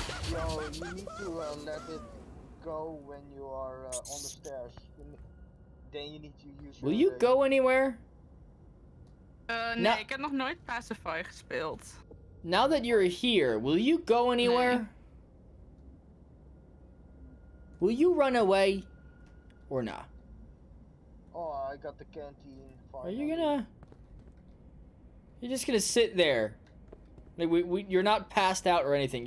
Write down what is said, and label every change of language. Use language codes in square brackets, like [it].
[en] Yo, you need to let it go when you are on the stairs. Then you need to use your... Will you go anywhere? [nl] Nee, ik heb nog nooit Pacify gespeeld. [en] Now that you're here, will you go anywhere? [nl] Nee. [en] Will you run away or not? Oh, I got the canteen. Are you gonna... You're just gonna sit there. Like, you're not passed out or anything.